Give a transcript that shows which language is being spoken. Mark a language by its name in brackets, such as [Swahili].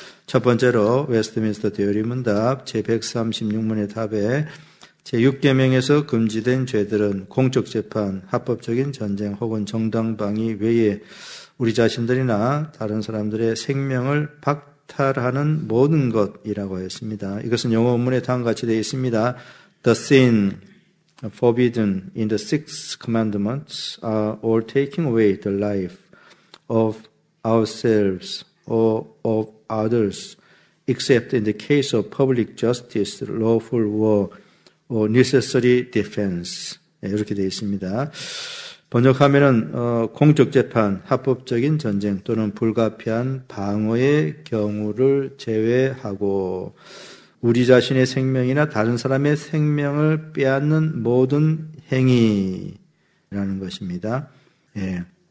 [Korean] 첫 번째로 웨스트민스터 대우리문답 제136문의 답에 제6계명에서 금지된 죄들은 공적 재판, 합법적인 전쟁 혹은 정당 방위 외에 우리 자신들이나 다른 사람들의 생명을 박탈하는 모든 것이라고 했습니다. 이것은 영어 원문에 다음과 같이 되어 있습니다. [English] The sin forbidden in the six commandments are all taking away the life of ourselves or of others, except in the case of public justice, lawful war, or necessary defense. [Korean] 네, 이렇게 되어 있습니다. 번역하면은 공적 재판, 합법적인 전쟁 또는 불가피한 방어의 경우를 제외하고 우리 자신의 생명이나 다른 사람의 생명을 빼앗는 모든 행위라는 것입니다. 예.